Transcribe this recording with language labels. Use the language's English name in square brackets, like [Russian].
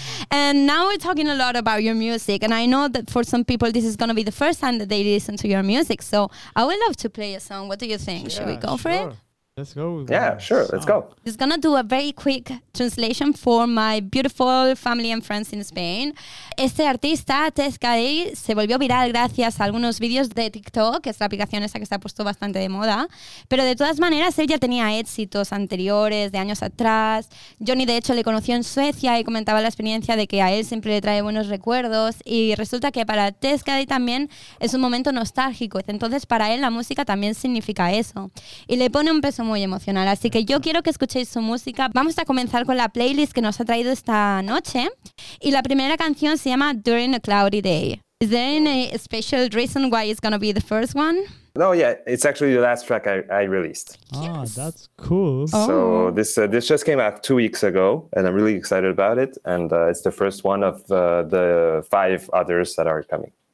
[English] And now we're talking a lot about your music, and I know that for some people this is going to be the first time that they listen to your music, so I would love to play a song. What do you think? Should we go for it? Let's go. Yeah, sure. Let's go. I'm just going to do a very quick translation for my beautiful family and friends in Spain. [Spanish] Este artista, Tez Cadey, se volvió viral gracias a algunos vídeos de TikTok, que es la aplicación esa que se ha puesto bastante de moda. Pero de todas maneras, él ya tenía éxitos anteriores, de años atrás. Johnny, de hecho, le conoció en Suecia y comentaba la experiencia de que a él siempre le trae buenos recuerdos. Y resulta que para Tez Cadey también es un momento nostálgico. Entonces, para él, la música también significa eso. Y le pone un peso muy emocional. Así que yo quiero que escuchéis su música. Vamos a comenzar con la playlist que nos ha traído esta noche. Y la primera canción se llama During a Cloudy Day. [English] Is there any special reason why it's going to be the first one? No, yeah, it's actually the last track I released. Ah, yes. That's cool. So this just came out 2 weeks ago, and I'm really excited about it. And it's the first one of the five others that are coming.